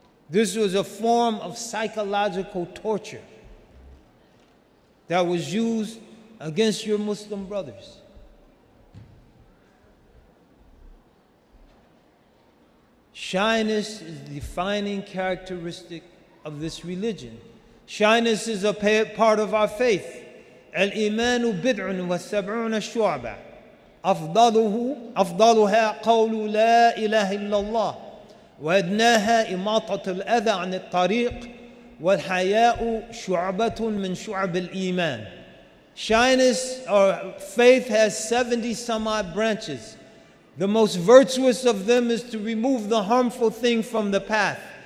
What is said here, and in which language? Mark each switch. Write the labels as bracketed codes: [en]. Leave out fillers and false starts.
[en] This was a form of psychological torture that was used against your Muslim brothers. Shyness is the defining characteristic of this religion. Shyness is a part of our faith. [ar] الإيمان بضع وسبعون شعبة أفضلها قول لا إله إلا الله وأدناها إماطة الأذى عن الطريق والحياء شعبة من شعب الإيمان. [en] Shyness or faith has 70 some odd branches. The most virtuous of them is to remove the harmful thing from the path.